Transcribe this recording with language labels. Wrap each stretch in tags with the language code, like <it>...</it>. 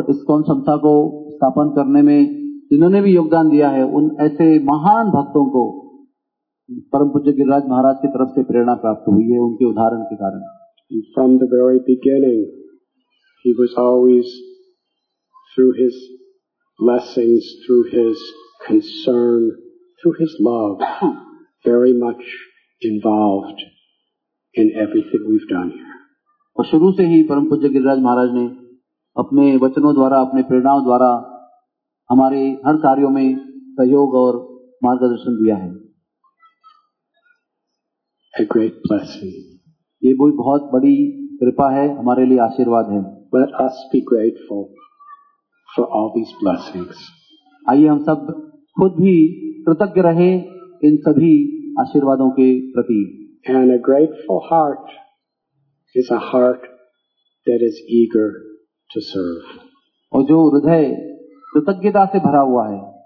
<hi>और इस कौन संस्था को स्थापन करने में जिन्होंने भी योगदान दिया है उन ऐसे महान भक्तों को परम पूज्य गिरिराज महाराज की तरफ से प्रेरणा प्राप्त हुई है उनके उदाहरण के कारण.</hi> <en>From the very beginning, he was always through his blessings, through his concern, through his love, very much involved in everything we've done here.</en> <hi>और शुरू से ही परम पूज्य गिरिराज महाराज ने अपने वचनों द्वारा, अपने प्रेरणाओं द्वारा हमारे हर कार्यों में सहयोग और मार्गदर्शन दिया है.</hi> <en>A great blessing.</en> <hi>ये भी बहुत बड़ी कृपा है हमारे लिए, आशीर्वाद है.</hi> <en>Let us be grateful for all these blessings.</en> <hi>आइए हम सब खुद भी कृतज्ञ रहे इन सभी आशीर्वादों के प्रति.</hi> <en>And a grateful heart is a heart that is eager to serve.</en> <hi>और जो हृदय कृतज्ञता से भरा हुआ है</hi>